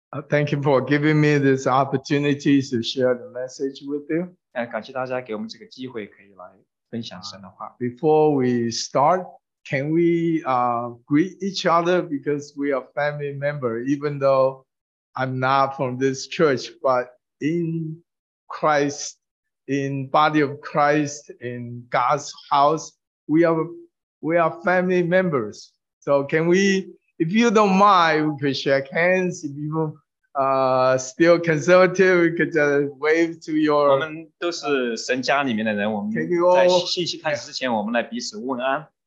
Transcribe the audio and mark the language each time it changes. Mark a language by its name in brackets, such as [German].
[English] Thank you for giving me this opportunity to share the message with you. [Chinese] 感谢大家给我们这个机会可以来分享神的话。 [English] Before we start, can we greet each other because we are family member, even though I'm not from this church, but in Christ, in body of Christ, in God's house, we are family members. So can we, if you don't mind, we could shake hands. If you still conservative, we could just wave to your. [Chinese] 我们都是神家里面的人，我们在信息开始之前，我们来彼此问安。